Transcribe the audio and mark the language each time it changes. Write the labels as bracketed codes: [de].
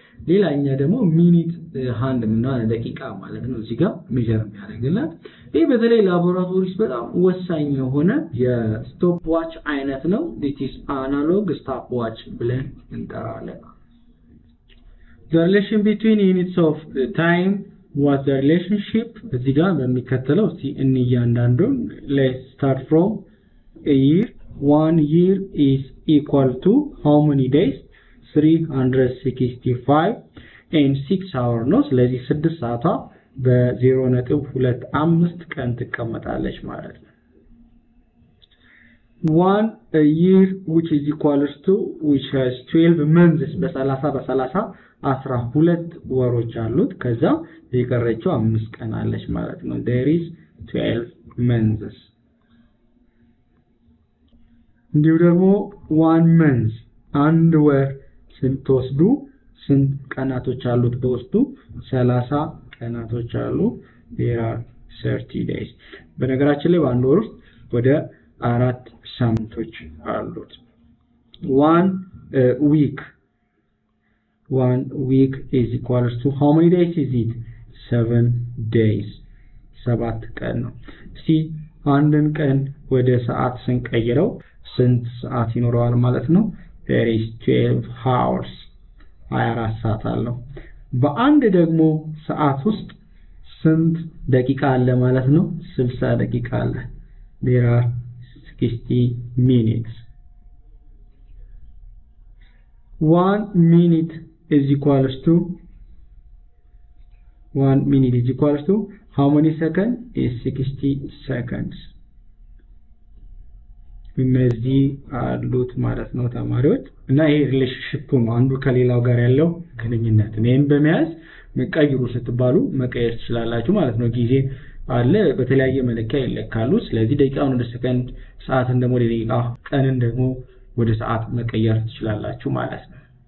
[am] ሌላኛ ደግሞ ሚኒት ሃንድ ምናምን ደቂቃ ማለት ነው። እዚህ ጋር ሜጀር የሚያደርግለት ይህ በተለይ ላቦራቶሪስ በጣም ወሳኝ የሆነ የስቶፕ ዋች አይነት ነው። ዲቲስ አናሎግ ስቶፕ ዋች ብለን እንጠራለን። [en] ዘ ሪሌሽን ቢትዊን ዩኒትስ ኦፍ ታይም what the relationship [am] እዚህ ጋር በሚከተለው እስቲ እንያንዳንዱን [en] let's start from a year. 1 year is equal to how many days? 365 and 6 hours [am] ነው። ስለዚህ 6 ሰዓታ በ 0.25 ቀን ትቀመጣለች ማለት ነው። [en] 1 year which is equal to which has 12 months [am] በ30 12 ወሮች አሉት፣ ከዛ የቀረችው 5 ቀን አለች ማለት ነው። [en] there is 12 months። [am] እንዲሁ ደግሞ [en] 1 month [am] አንድ ወር ስንትወስዱ ስንት ቀናቶች አሉት? በውስጡ 30 ቀናቶች አሉ። [en] there are 30 days። [am] በነገራችን ላይ በአንድ ወር ውስጥ ወደ 4 ሳምንቶች አሉት። [en] 1 week one week is equal to how many days is it? 7 days [am] 7 ቀን ነው። እስቲ አንድን ቀን ወደ ሰዓት ስንቀይረው ስንት ሰዓት ይኖረዋል ማለት ነው? [en] there is 12 hours [am] 24 ሰዓት አለው። በአንድ ደግሞ ሰዓት ውስጥ ስንት ደቂቃ አለ ማለት ነው? 60 ደቂቃ አለ። [en] there are 60 minutes 1 minute is equal to 1 minute is equal to how many seconds? is 60 seconds [am] ምንዚ አሉት ማለት ነው ተማሪዎች። እና ይሄ ሪሌሽንሺፕ ነው አንዱ ከሌላው ጋር ያለው ግንኙነት። ምን በሚያስ መቀየሩ ስትባሉ መቀየር ትችላላችሁ ማለት ነው። ጊዜ አለ በተለያየ መለኪያ ይለካሉ። ስለዚህ ደቂቃውን ወደ ሰከንድ፣ ሰዓትን ደግሞ ወደ ደቂቃ፣ ቀንን ደግሞ ወደ ሰዓት መቀየር ትችላላችሁ ማለት ነው።